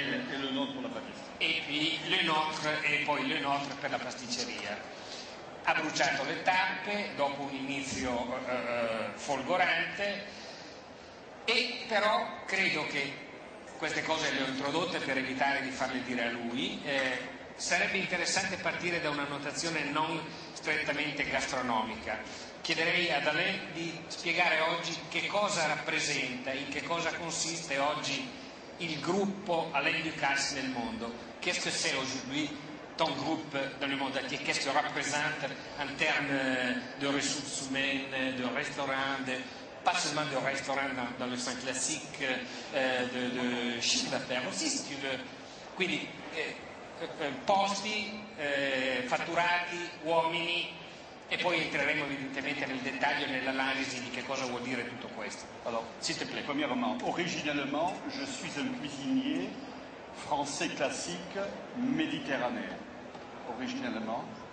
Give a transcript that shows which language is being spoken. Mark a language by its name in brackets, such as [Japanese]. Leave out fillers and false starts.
[French] et le nôtre pour la pâtisserie. Et puis le nôtre [Italian] per la pasticceria. Ha bruciato le tappe dopo un inizio folgorante, e però credo che queste cose le ho introdotte per evitare di farle dire a lui. Sarebbe interessante partire da una notazione non strettamente gastronomica. Chiederei ad Alain di spiegare oggi che cosa rappresenta, in che cosa consiste oggi il gruppo Alain Ducasse nel mondo. [French] Qu'est-ce que c'est aujourd'hui ton groupe dans le monde entier? Qu'est-ce que représente en termes de ressources humaines, de restaurants, pas seulement de restaurants dans le sens classique, de chiffre d'affaires aussi, si tu veux. [Italian] Quindi, posti, fatturati, uomini, e poi entreremo evidentemente nel dettaglio, nell'analisi di che cosa vuol dire tutto questo. [French] Alors, s'il te plaît. Premièrement, originellement, je suis un cuisinier français classique méditerranéen. Originellement.